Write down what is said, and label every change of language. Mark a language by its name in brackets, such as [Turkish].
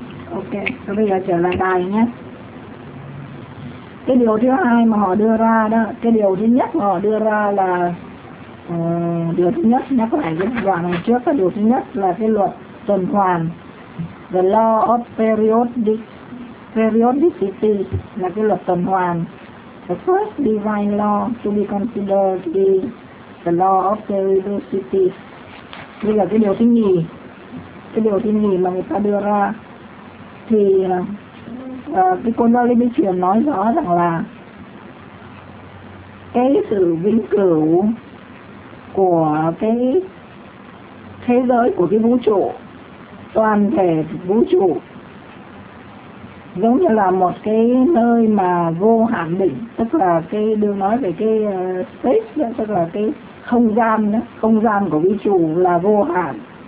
[Vietnamese] Ok, bây giờ trở lại bài nhé. Cái điều thứ hai mà họ đưa ra đó, cái điều thứ nhất mà họ đưa ra là điều thứ nhất nhắc lại cái đoạn này trước, cái điều thứ nhất là cái luật tuần hoàn [English] The law of periodicity [Vietnamese] là cái luật tuần hoàn. [English] The first divine law to be considered is the law of periodicity. [Vietnamese] Đây là cái điều thứ nhì. Cái điều thứ nhì mà người ta đưa ra thì cái Kundalini Thiền nói rõ rằng là cái sự vĩnh cửu của cái thế giới, của cái vũ trụ, toàn thể vũ trụ giống như là một cái nơi mà vô hạn định, tức là cái đường nói về cái space đó, tức là cái không gian đó, không gian của vũ trụ là vô hạn.